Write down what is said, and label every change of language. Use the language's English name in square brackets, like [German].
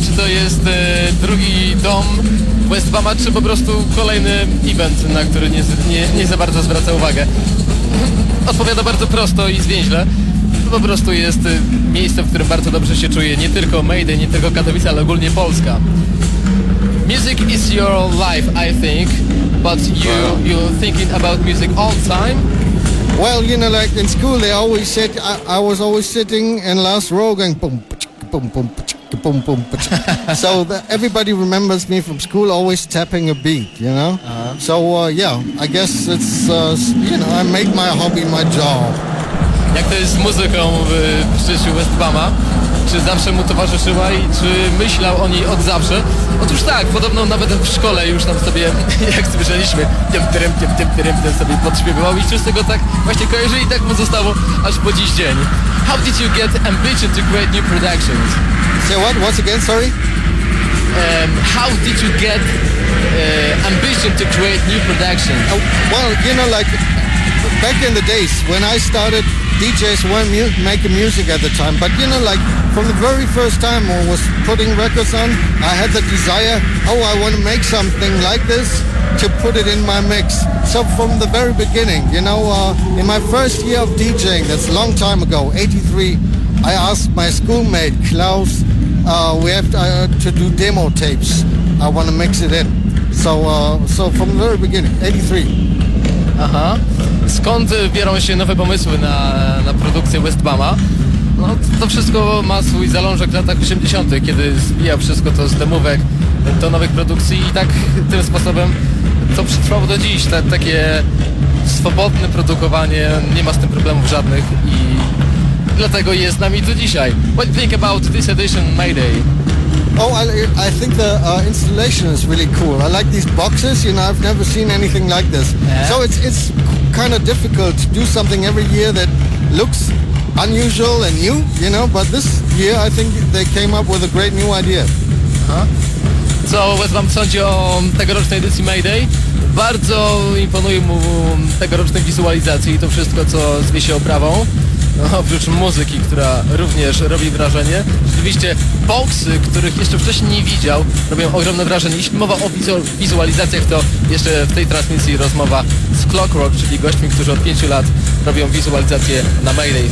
[Polish] Czy to jest drugi dom Westwama, czy po prostu kolejny event, na który nie za bardzo zwraca uwagę? Odpowiada bardzo prosto i zwięźle. Po prostu jest miejsce, w którym bardzo dobrze się czuje. Nie tylko Maidy, nie tylko Katowice, ale ogólnie Polska. [English] Music is your life, I think. But you thinking about music all the time? Well, you know, like in school, they always said I was always sitting in last row going boom, boom, boom, boom, boom, boom. So everybody remembers me from school always tapping a beat, you know? I guess it's, I make my hobby my job. [Polish] Jak to jest z muzyką w życiu Westwama? Czy zawsze mu towarzyszyła i czy myślał o niej od zawsze? Otóż tak, podobno nawet w szkole już tam sobie, jak słyszeliśmy, tym sobie podśpiewał i czy z tego tak właśnie kojarzy i tak mu zostało aż po dziś dzień. [English] How did you get ambition to create new productions? Say what? Once again, sorry? How did you get ambition to create new productions? Well, you know, like back in the days when I started, DJs weren't making music at the time, but you know, like from the very first time I was putting records on, I had the desire, oh, I want to make something like this to put it in my mix. So from the very beginning, you know, in my first year of DJing, that's a long time ago, 83, I asked my schoolmate Klaus, we have to do demo tapes, I want to mix it in. So from the very beginning, 83. Aha. [Polish] Skąd biorą się nowe pomysły na produkcję Westwama? No to wszystko ma swój zalążek w latach 80., kiedy zbijał wszystko to z demówek do nowych produkcji i tak tym sposobem to przetrwało do dziś. Takie swobodne produkowanie, nie ma z tym problemów żadnych i dlatego jest z nami tu dzisiaj. [English] What do you think about this edition, Mayday? Oh, I think the installation is really cool. I like these boxes, you know, I've never seen anything like this. Yeah. So it's kind of difficult to do something every year that looks unusual and new, you know, but this year I think they came up with a great new idea. Uh-huh. So, what do you think of [Polish] tegorocznej edycji [English] Mayday? [Polish] Bardzo imponuje mu tegoroczne wizualizacje i to wszystko, co zwie się oprawą. No, oprócz muzyki, która również robi wrażenie. Rzeczywiście boxy, których jeszcze wcześniej nie widział, robią ogromne wrażenie. Jeśli mowa o wizualizacjach, to jeszcze w tej transmisji rozmowa z Clockwork, czyli gośćmi, którzy od 5 lat robią wizualizację na Mayday.